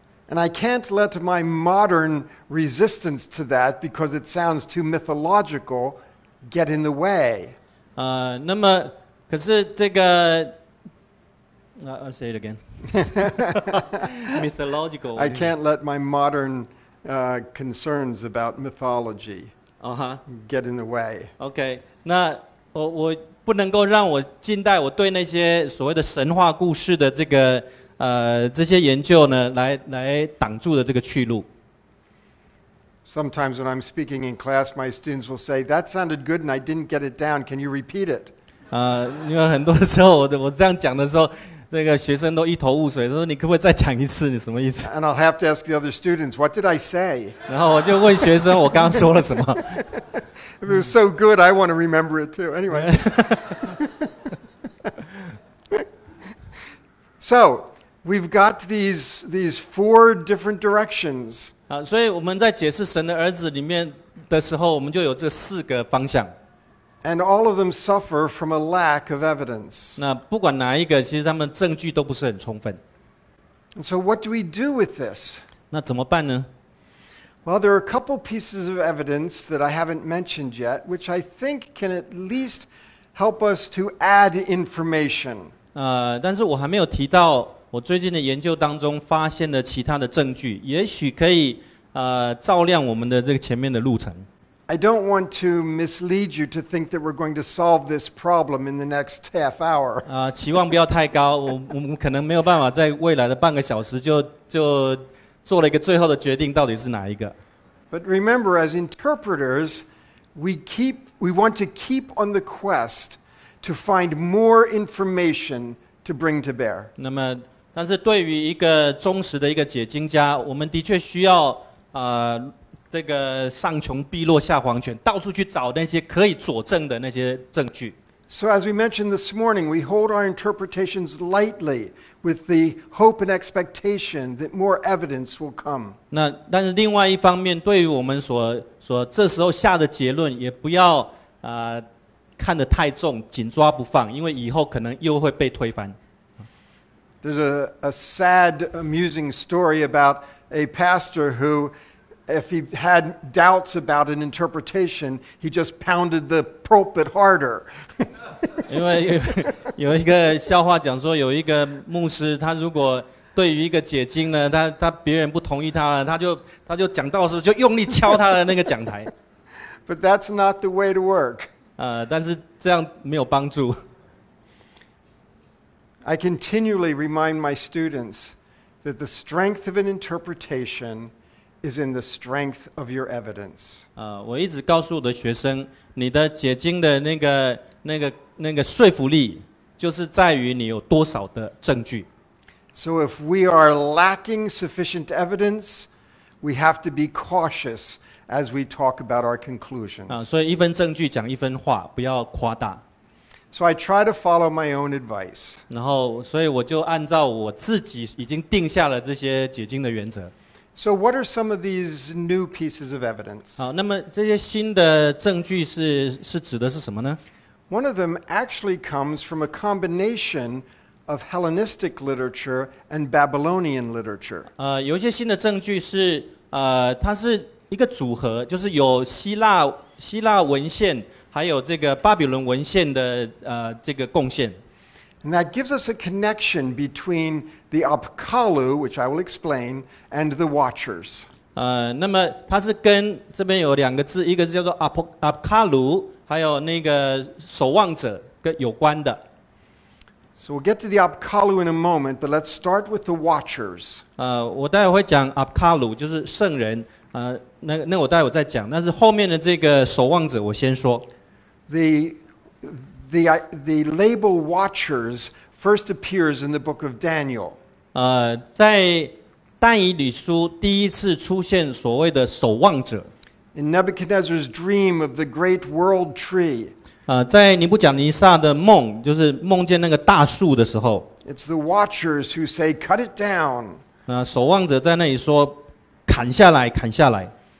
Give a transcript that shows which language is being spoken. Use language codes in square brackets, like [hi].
[en] And I can't let my modern resistance to that because it sounds too mythological get in the way. [zh] 那么可是这个 [en] I'll say it again. mythological. I can't let my modern concerns about mythology get in the way. Okay. [zh] 那我不能够让我近代我对那些所谓的神话故事的这个这些研究呢来挡住的这个去路。 [en] Sometimes when I'm speaking in class, my students will say, "That sounded good, and I didn't get it down. Can you repeat it?" [zh] 因为很多时候我这样讲的时候，那个学生都一头雾水，说你可不可以再讲一次？你什么意思 [en] ？And I'll have to ask the other students, "What did I say?" [zh] 然后我就问学生，我刚刚说了什么？ [en] If it was so good, I want to remember it too. Anyway. So, we've got these four different directions. [zh] 所以我们在解释神的儿子里面的时候，我们就有这四个方向。 [en] And all of them suffer from a lack of evidence. [zh] 那不管哪一个，其实他们证据都不是很充分。 [en] And so what do we do with this? [zh] 那怎么办呢？ [en] Well, there are a couple pieces of evidence that I haven't mentioned yet, which I think can at least help us to add information. [zh] 但是我还没有提到我最近的研究当中发现的其他的证据，也许可以照亮我们的这个前面的路程。 [en] I don't want to mislead you to think that we're going to solve this problem in the next half hour. [zh] 期望不要太高，我们可能没有办法在未来的半个小时就。做了一个最后的决定，到底是哪一个？ [en] But remember, as interpreters, we want to keep on the quest to find more information to bring to bear. [zh] 那么，但是对于一个忠实的一个解经家，我们的确需要这个上穷碧落下黄泉，到处去找那些可以佐证的那些证据。 [en] So as we mentioned this morning, we hold our interpretations lightly with the hope and expectation that more evidence will come. [zh] 那但是另外一方面，对于我们所这时候下的结论，也不要看得太重，紧抓不放，因为以后可能又会被推翻。 [en] There's a sad, amusing story about a pastor who, if he had doubts about an interpretation, he just pounded the pulpit harder. [zh] 因为有一个笑话讲说，有一个牧师，他如果对于一个解经呢，他别人不同意他了，他就讲道的时候就用力敲他的那个讲台。 [en] But that's not the way to work. [zh] 但是这样没有帮助。 [en] I continually remind my students that the strength of an interpretation is in the strength of your evidence. [zh] 我一直告诉我的学生，你的解经的那个说服力就是在于你有多少的证据。 [en] So if we are lacking sufficient evidence, we have to be cautious as we talk about our conclusions. [zh] 所以一分证据讲一分话，不要夸大。 [en] So I try to follow my own advice. [zh] 然后所以我就按照我自己已经定下了这些解经的原则。 [en] So what are some of these new pieces of evidence? [zh] 好，那么这些新的证据是指的是什么呢？ [en] One of them actually comes from a combination of Hellenistic literature and Babylonian literature. [zh] 有一些新的证据是它是一个组合，就是有希腊希腊文献还有这个巴比伦文献的这个贡献。 [en] And that gives us a connection between the Apkallu, which I will explain, and the Watchers. [zh] 那么它是跟这边有两个字，一个叫做 Apkallu， 还有那个守望者跟有关的。 [en] So we'll get to the Apkallu in a moment, but let's start with the Watchers. [zh] 我待会会讲 Apkallu， 就是圣人。那我待会再讲。但是后面的这个守望者，我先说。 [en] The label Watchers first appears in the book of Daniel. [zh] 在但以理书第一次出现所谓的守望者。 [en] In Nebuchadnezzar's dream of the great world tree. [zh] 在尼布甲尼撒的梦，就是梦见那个大树的时候。 [en] It's the Watchers who say, "Cut it down." [zh] 守望者在那里说，砍下来，砍下来。